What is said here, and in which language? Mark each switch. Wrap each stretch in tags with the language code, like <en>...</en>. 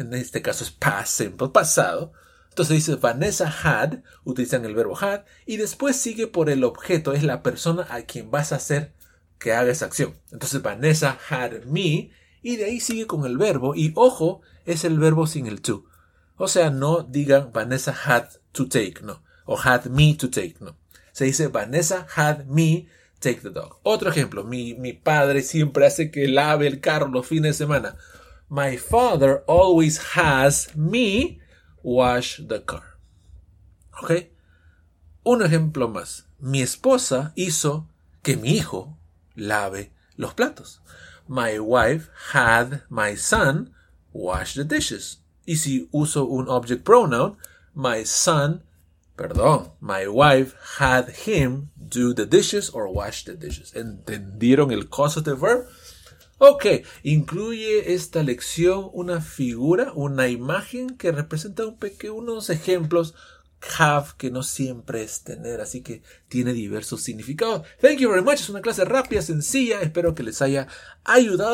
<es>En este caso es past simple, pasado. Entonces dice Vanessa had, utilizan el verbo had, y después sigue por el objeto, es la persona a quien vas a hacer que haga esa acción. Entonces Vanessa had me, y de ahí sigue con el verbo, y ojo, es el verbo sin el to. O sea, no digan</es> <en>Vanessa had to take,</en> <es>no. O</es> <en>had me to take,</en> <es>no. Se dice</es> <en>Vanessa had me take the dog.</en> <es>Otro ejemplo, mi padre siempre hace que lave el carro los fines de semana.</es> <en>My father always has me wash the car.</en> <es>¿Ok? Un ejemplo más. Mi esposa hizo que mi hijo lave los platos.</es> <en>My wife had my son wash the dishes.</en> <es>Y si uso un</es> <en>object pronoun, my wife had him do the dishes or wash the dishes.</en> <es>¿Entendieron el causative verb? Ok, incluye esta lección una figura, una imagen que representa un pequeño, unos ejemplos have que no siempre es tener, así que tiene diversos significados.</es> <en>Thank you very much,</en> <es>es una clase rápida, sencilla, espero que les haya ayudado.</es>